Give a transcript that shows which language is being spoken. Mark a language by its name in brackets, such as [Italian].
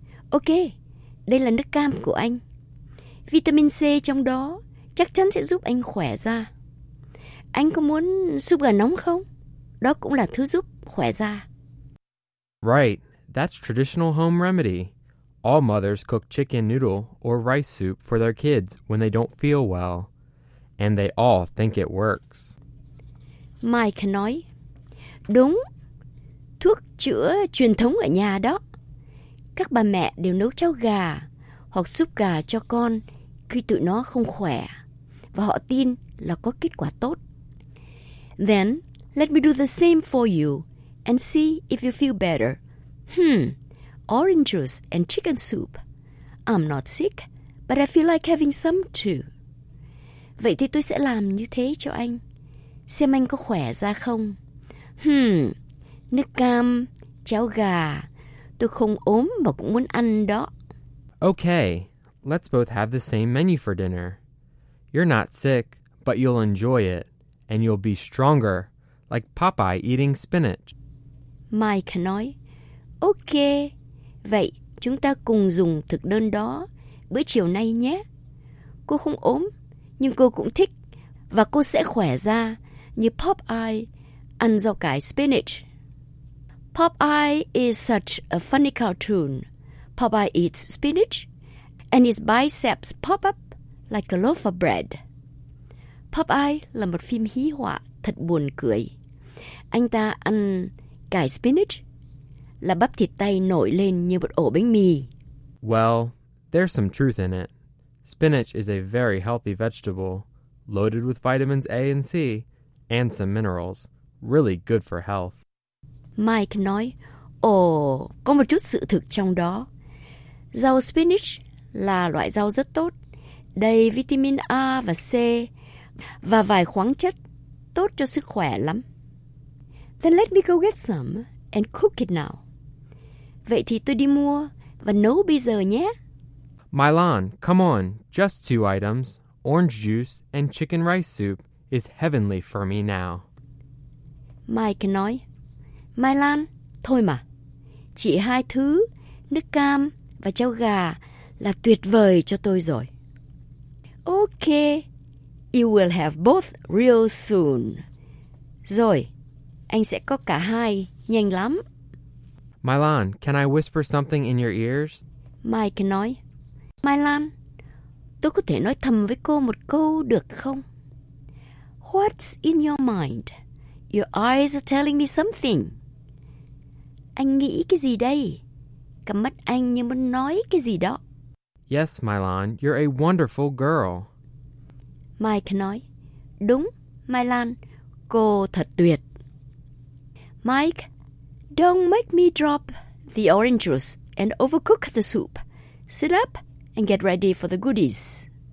[Vietnamese] Ok, đây là nước cam của anh. Vitamin C trong đó chắc chắn sẽ giúp anh khỏe ra. Anh có muốn súp gà nóng không? Đó cũng là thứ giúp khỏe ra. [English] Right, that's traditional home remedy. All mothers cook chicken noodle or rice soup for their kids when they don't feel well. And they all think it works. [Vietnamese] Mike nói, đúng, thuốc chữa truyền thống ở nhà đó. Các bà mẹ đều nấu cháo gà hoặc súp gà cho con khi tụi nó không khỏe. Và họ tin là có kết quả tốt. [English] Then, let me do the same for you and see if you feel better. Orange juice and chicken soup. I'm not sick, but I feel like having some too. [Vietnamese] Vậy thì tôi sẽ làm như thế cho anh. Xem anh có khỏe ra không. Nước cam, cháo gà. Tôi không ốm mà cũng muốn ăn đó. [English] Okay, let's both have the same menu for dinner. You're not sick, but you'll enjoy it, and you'll be stronger, like Popeye eating spinach. [Vietnamese] Mike nói, okay, vậy chúng ta cùng dùng thực đơn đó bữa chiều nay nhé. Cô không ốm, nhưng cô cũng thích, và cô sẽ khỏe ra như Popeye ăn rau cải spinach. [English] Popeye is such a funny cartoon. Popeye eats spinach, and his biceps pop up like a loaf of bread. [Vietnamese] Popeye là một phim hí họa thật buồn cười. Anh ta ăn cải spinach, là bắp thịt tay nổi lên như một ổ bánh mì. [English] Well, there's some truth in it. Spinach is a very healthy vegetable, loaded with vitamins A and C, and some minerals. Really good for health. [Vietnamese] Mike nói, có một chút sự thực trong đó. Rau spinach là loại rau rất tốt, đầy vitamin A và C, và vài khoáng chất tốt cho sức khỏe lắm. [English] Then let me go get some and cook it now. [Vietnamese] Vậy thì tôi đi mua và nấu bây giờ nhé. [English] Mylon, come on, just two items, orange juice and chicken rice soup is heavenly for me now. [Vietnamese] Mike nói, Mylon, thôi mà, chỉ hai thứ, nước cam và cháo gà là tuyệt vời cho tôi rồi. [English] Okay, you will have both real soon. [Vietnamese] Rồi, anh sẽ có cả hai, nhanh lắm. [English] Mylon, can I whisper something in your ears? [Vietnamese] Mike nói, Mylon, tôi có thể nói thầm với cô một câu được không? [English] What's in your mind? Your eyes are telling me something. [Vietnamese] Anh nghĩ cái gì đây? Cặp mắt anh như muốn nói cái gì đó. [English] Yes, Mylon, you're a wonderful girl. [Vietnamese] Mike nói, đúng, Mylon, cô thật tuyệt. [English] Mike, don't make me drop the orange juice and overcook the soup. Sit up and get ready for the goodies.